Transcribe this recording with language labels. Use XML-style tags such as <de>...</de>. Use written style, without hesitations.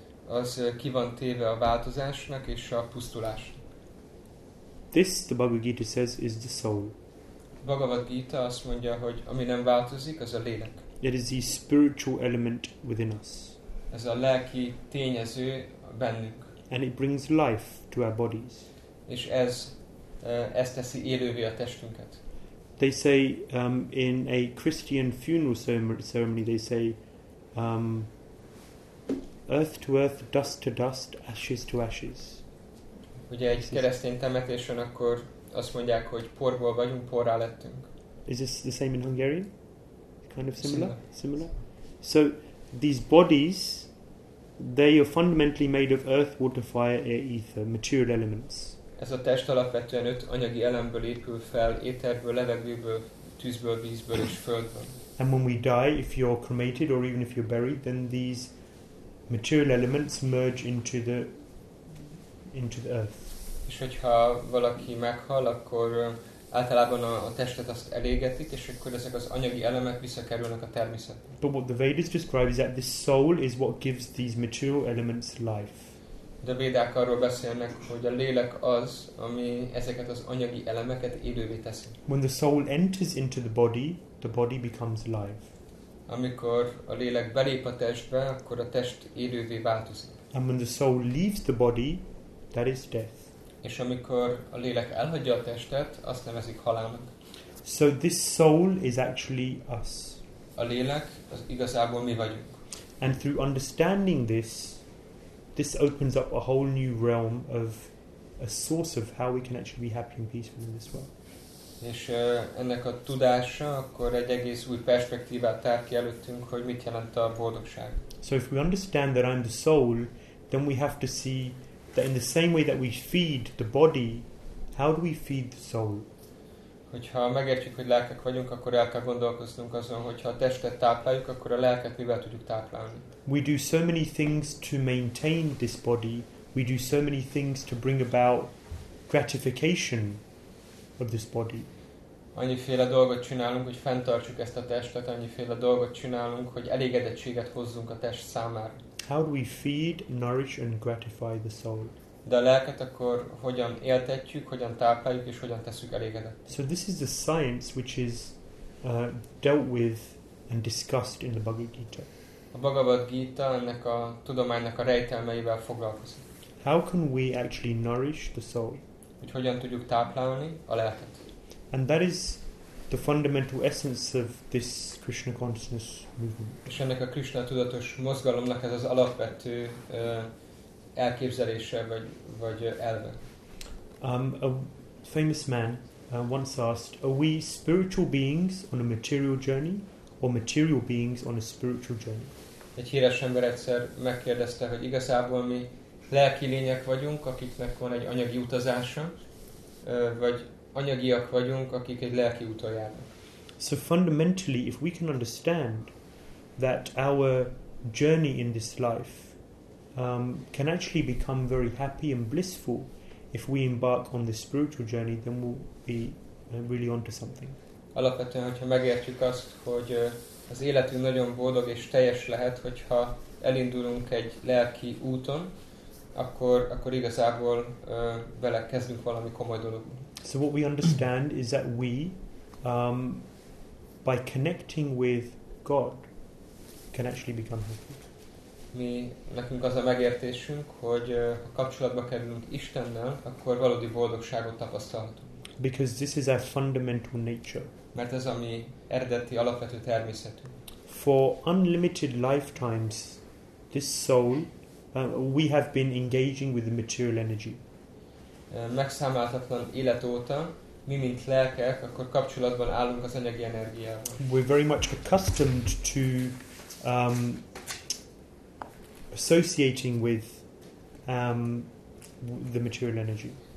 <hu>az ki van téve a változásnak és a pusztulásnak.</hu> <en>This, the Bhagavad Gita says, is the soul.</en> <hu>Bhagavad Gita azt mondja, hogy ami nem változik, az a lélek.</hu> <en>It is the spiritual element within us.</en> <hu>Ez a lelki tényező bennünk.</hu> <en>And it brings life to our bodies.</en> <hu>És ez teszi élővé a testünket.</hu> <en>They say in a Christian funeral ceremony, they say, earth to earth, dust to dust, ashes to ashes.</en> <hu>Ugye egy keresztény temetésen akkor azt mondják, hogy porból vagyunk, porrá lettünk.</hu> <en>Is this the same in Hungarian? Kind of similar? Similar. So these bodies, they are fundamentally made of earth, water, fire, air, ether, material elements.</en> <hu>Ez a test alapvetően öt anyagi elemből épül fel, éterből, levegőből, tűzből, vízből és földből.</hu> <en>And when we die, if you're cremated or even if you're buried, then these material elements merge into the earth.</en> <hu>És hogyha valaki meghal, akkor általában a testet azt elégetik, és akkor ezek az anyagi elemek visszakerülnek a természetbe.</hu> <en>But what the Vedas describe is that this soul is what gives these material elements life.</en> <hu>De a védák arról beszélnek, hogy a lélek az, ami ezeket az anyagi elemeket élővé teszi.</hu> <en>When the soul enters into the body becomes alive.</en> <hu>Amikor a lélek belép a testbe, akkor a test élővé változik.</hu> <en>And when the soul leaves the body, that is death.</en> <hu>És amikor a lélek elhagyja a testet, azt nevezik halálnak.</hu> <en>So this soul is actually us.</en> <hu>A lélek az igazából mi vagyunk.</hu> <en>And through understanding this opens up a whole new realm of a source of how we can actually be happy and peaceful in this world.</en> <hu>És ennek a tudása akkor egy egész új perspektívát tár ki előttünk, hogy mit jelent a boldogság.</hu> <en>So if we understand that I'm the soul, then we have to see that in the same way that we feed the body, how do we feed the soul?</en> <hu>Hogyha megértjük, hogy lelkek vagyunk, akkor el kell gondolkoznunk azon, hogyha a testet tápláljuk, akkor a lelket mivel tudjuk táplálni.</hu> <en>We do so many things to maintain this body. We do so many things to bring about gratification of this body.</en> <hu>Annyiféle dolgot csinálunk, hogy fenntartsuk ezt a testet, annyiféle dolgot csinálunk, hogy elégedettséget hozzunk a test számára.</hu> <en>How do we feed, nourish and gratify the soul?</en> <hu>De a lelket akkor hogyan éltetjük, hogyan tápláljuk és hogyan tesszük elégedett?</hu> <en>So this is the science which is dealt with and discussed in the Bhagavad Gita.</en> <hu>A Bhagavad Gita ennek a tudománynak a rejtelmeivel foglalkozik.</hu> <en>How can we actually nourish the soul?</en> <hu>Hogy hogyan tudjuk táplálni a lelket?</hu> <en>And that is the fundamental essence of this Krishna consciousness movement.</en> <hu>És ennek a Krishna tudatos mozgalomnak ez az alapvető elképzelése vagy elve.</hu> <en>A famous man once asked, "Are we spiritual beings on a material journey, or material beings on a spiritual journey?"</en> <hu>Egy híres ember egyszer megkérdezte, hogy igazából mi lelki lények vagyunk, akiknek van egy anyagi utazása, vagy anyagiak vagyunk, akik egy lelki úton járnak.</hu> <en>So fundamentally, if we can understand that our journey in this life can actually become very happy and blissful if we embark on this spiritual journey, then we'll be really onto something.</en> <hu>Alapvetően, hogyha megértjük azt, hogy az életünk nagyon boldog és teljes lehet, hogyha elindulunk egy lelki úton, akkor igazából vele kezdünk valami komoly dologba.</hu> <en>So what we understand is that we, by connecting with God, can actually become happy.</en> <hu>Mi nekünk az a megértésünk, hogy ha kapcsolatba kerülünk Istennel, akkor valódi boldogságot tapasztalhatunk.</hu> <en>Because this is our fundamental nature.</en> <hu>Mert ez a mi eredeti alapvető természetünk.</hu> <en>For unlimited lifetimes, this soul, we have been engaging with the material energy.</en> <hu>Megszámláltatlan élet óta, mi mint lelkek, akkor kapcsolatban állunk az anyagi energiával.</hu> <en>We're very much accustomed to associating with the material energy.</en>